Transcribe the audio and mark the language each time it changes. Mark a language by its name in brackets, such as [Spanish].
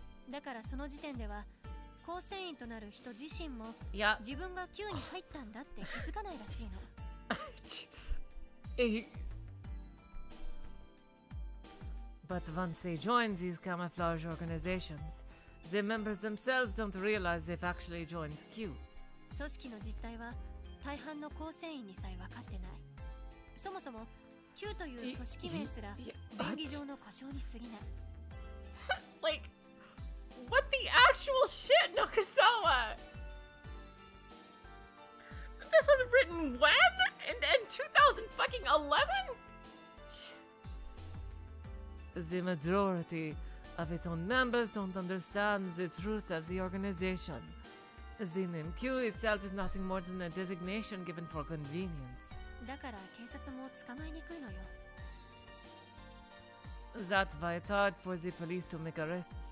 [Japanese] だからその時点では、構成員となる人自身も自分が Q に入ったんだって気づかないらしいの。 [English] But once they join these camouflage organizations, the members themselves don't realize they've actually joined Q. [Japanese] 組織の実態は大半の構成員にさえ分かってない。そもそも Q という組織名すら便宜上の故障に過ぎない。 [English] Like, what the actual shit, Nakazawa? This was written when? In 2011? The majority of its own members don't understand the truth of the organization. The name Q itself is nothing more than a designation given for convenience. [Japanese] だから警察も捕まえにくいのよ。 [English] That's why it's hard for the police to make arrests.